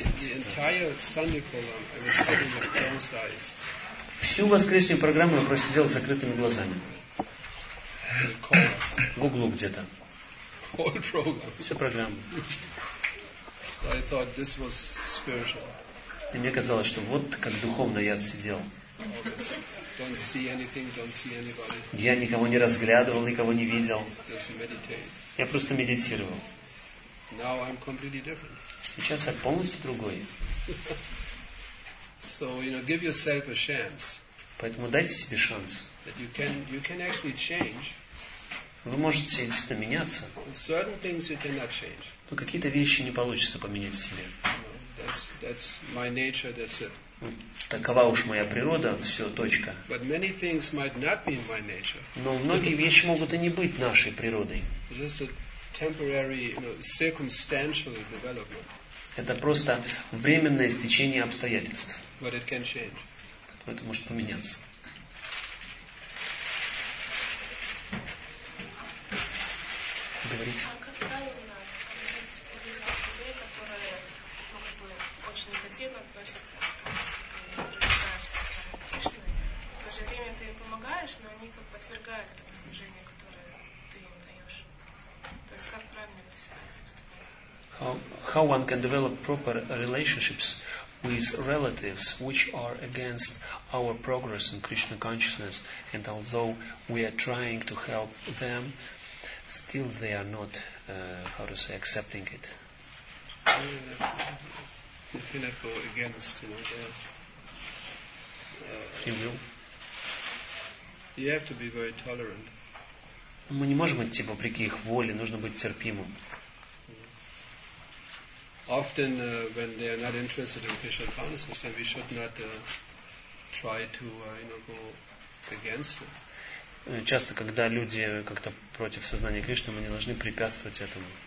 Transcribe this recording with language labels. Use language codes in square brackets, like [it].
[en] Entire Sunday program, I was sitting with closed eyes. [ru] Всю воскресную программу я просидел с закрытыми глазами. В углу где-то. Всю программу. [en] So I thought this was spiritual. [ru] И мне казалось, что вот как духовно я отсидел. [en] Don't see anything, don't see anybody. [ru] Я никого не разглядывал, никого не видел. [en] Just meditate. [ru] Я просто медитировал. [en] Now I'm completely different. [ru] Сейчас я полностью другой. [en] So, you know, give yourself a chance. [ru] Поэтому дайте себе шанс. [en] That you can actually change. [ru] Вы можете действительно меняться. [en] Certain things you cannot change. [ru] Но какие-то вещи не получится поменять в себе. [en] That's my nature, that's it. [ru] Такова уж моя природа, все, точка. [en] But many things might not be my nature. [ru] Но многие вещи могут и не быть нашей природой. [en] Just a temporary, you know, circumstantial development. [ru] Это просто временное стечение обстоятельств. [en] But it can change. [ru] Это может поменяться. Говорите. А как правильно признать людей, которые могут бы очень негативно относятся к тому, что ты развиваешься со стороны Кришны, в то же время ты им помогаешь, но они как бы отвергают это послужение, которое ты им даешь. То есть как правильно в этой ситуации выступать? [en] How one can develop proper relationships with relatives which are against our progress in Krishna consciousness, and although we are trying to help them, still they are not, accepting it. You cannot go against, you know, their free will. You have to be very tolerant. [ru] Мы не можем идти вопреки их воле, нужно быть терпимым. [en] Often, when they are not interested in Krishna consciousness, then we should not try to, you know, go against them. [ru] Часто, когда люди как-то против сознания Кришны, мы не должны препятствовать этому.